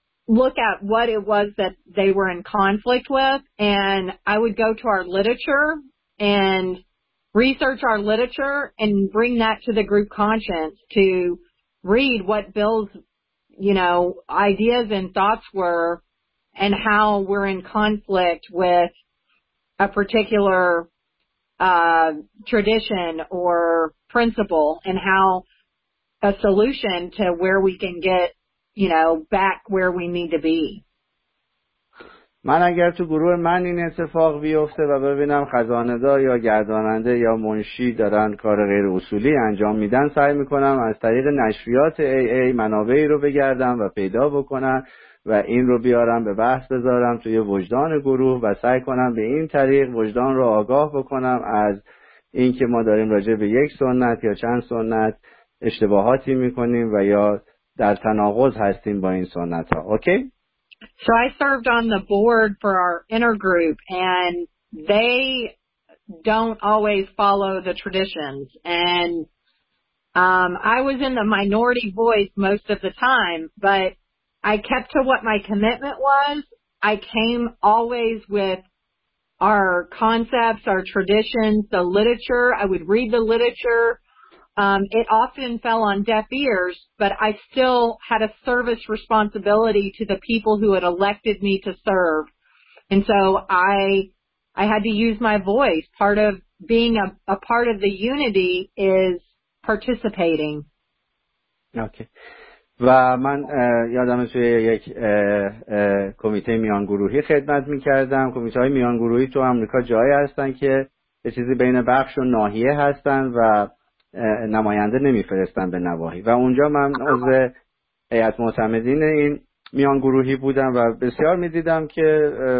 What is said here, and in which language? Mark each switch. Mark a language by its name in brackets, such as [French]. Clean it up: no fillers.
[English] look at what it was that they were in conflict with, and I would go to our literature and research our literature and bring that to the group conscience to read what Bill's, you know, ideas and thoughts were and how we're in conflict with a particular tradition or principle, and how a solution to where we can get, you know, back where we need to be. [Persian] من اگر تو گروه من این اتفاق بیفته و ببینم خزانه‌دار یا گرداننده یا منشی دارن کار غیر اصولی انجام میدن، سعی میکنم از طریق نشریات AA منابعی رو بگردم و پیدا بکنم و این رو بیارم به بحث بذارم توی وجدان گروه و سعی کنم به این طریق وجدان رو آگاه بکنم از اینکه ما داریم راجع به یک سنت یا چند سنت اشتباهاتی میکنیم و یا در تناقض هستیم با این سنت ها. [English] Okay? So I served on the board for our inner group, and they don't always follow the traditions. And I was in the minority voice most of the time, but I kept to what my commitment was. I came always with our concepts, our traditions, the literature. I would read the literature. It often fell on deaf ears, but I still had a service responsibility to the people who had elected me to serve. And so I had to use my voice. Part of being a part of the unity is participating. Okay. [Persian] و من یادم توی یک کمیته میانگروهی خدمت میکردم. کمیته های میانگروهی تو امریکا جایی هستن که به چیزی بین بخش و ناحیه هستن و نماینده نمیفرستن به نواحی، و اونجا من از هیئت معتمدین این میانگروهی بودم و بسیار میدیدم که